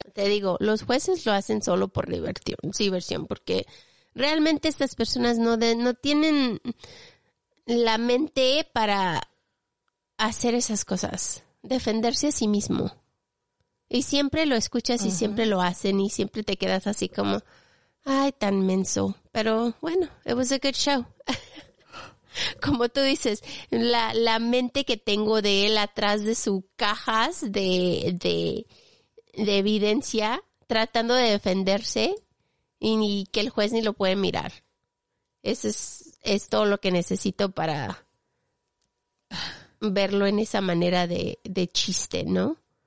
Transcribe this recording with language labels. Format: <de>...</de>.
<es>Te digo, los jueces lo hacen solo por diversión, porque realmente estas personas no tienen la mente para hacer esas cosas, defenderse a sí mismo. Y siempre lo escuchas y siempre lo hacen y siempre te quedas así como, Ay, tan menso. Pero bueno,</es> <en>it was a good show.</en> <es>Como tú dices, la mente que tengo de él atrás de sus cajas de evidencia, tratando de defenderse, y ni que el juez ni lo puede mirar. Eso es todo lo que necesito para verlo en esa manera de chiste, ¿no?</es>